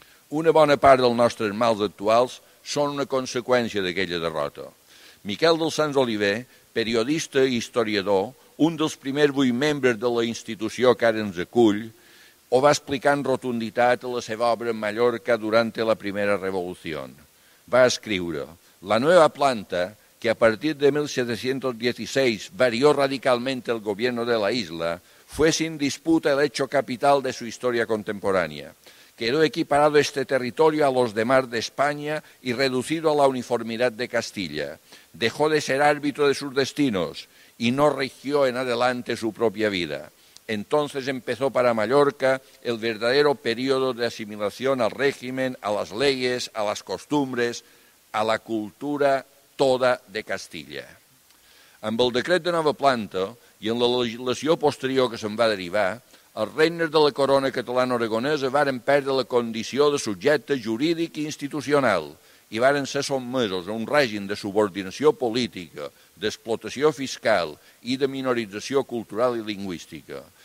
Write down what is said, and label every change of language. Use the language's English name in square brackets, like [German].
[Catalan] Una bona part dels nostres mals actuals són una conseqüència d'aquella derrota. Miquel dels Sants Oliver, periodista i historiador, un dels primers 8 membres de la institució que ara ens acull, ho va explicar en rotunditat a la seva obra en Mallorca durant la Primera Revolució. Va escriure: [Spanish] la nova planta, que a partir de 1716 varió radicalment el gobierno de la isla, fue sin disputa el hecho capital de su historia contemporánea. Quedó equiparado este territorio a los demás de España y reducido a la uniformidad de Castilla. Dejó de ser árbitro de sus destinos y no regió en adelante su propia vida. Entonces empezó para Mallorca el verdadero periodo de asimilación al régimen, a las leyes, a las costumbres, a la cultura toda de Castilla. [Catalan] Amb el decret de nova planta i en la legislació posterior que se'n va derivar, els regnes de la corona catalana-aragonesa varen perdre la condició de subjecte jurídic i institucional i varen ser sotmesos a un règim de subordinació política, d'explotació fiscal i de minorització cultural i lingüística.